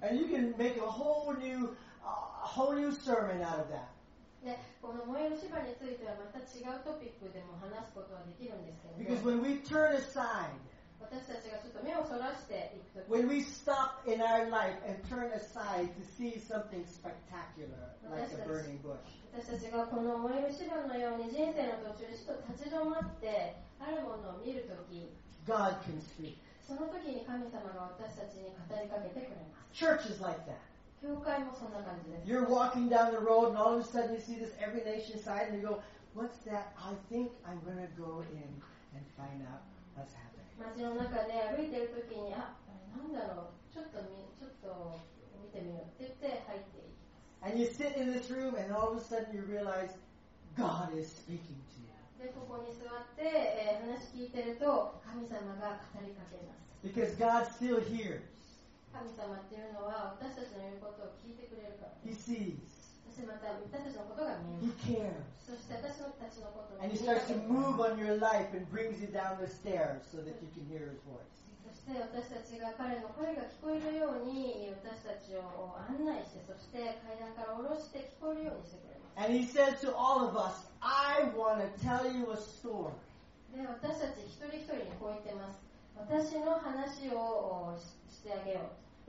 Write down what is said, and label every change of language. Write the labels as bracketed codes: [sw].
[en] And you can make a whole new sermon out of that. [ja] でこの燃える芝についてはまた違うトピックでも話すことはできるんですけど、ね。 [en] Because when we turn aside, [ja] 私たちがちょっと目をそらしていくと [en] き、when we stop in our life and turn aside to see something spectacular like a burning bush. [ja] 私たちがこの燃える芝のように人生の途中にちょっと立ち止まってあるものを見るとき、 [en] God can speak. [ja] その時に神様が私たちに語りかけてくれます。 [en] Church is like that. [ja] 教会もそんな感じです。 [en] You're walking down the road and all of a sudden you see this every nation sign and you go, what's that? I think I'm going to go in and find out what's happening. [ja] 街の中で歩いてるときに、あ、なんだろう、ちょっと見てみようって言って入っていく。 [en] And you sit in this room, and all of a sudden you realize God is speaking to you. [ja] でここに座って、話聞いてると神様が語りかけます。 [en] Because God still hears. [ja] 神様っていうのは私たちの言うことを聞いてくれるから。 [en] He sees. [ja] そしてまた私たちのことが見える。 [en] He cares. [ja] そして私たちのことを。 [en] And he starts to move on your life and brings you down the stairs so that you can hear his voice. [ja] そしてして私たちが彼の声が聞こえるように私たちを案内してそして階段から下ろして聞こえるようにしてくれます。 [en] And he said to all of us, I want to tell you a story. [ja] で私たち一人一人にこう言ってます。私の話を してあげよう。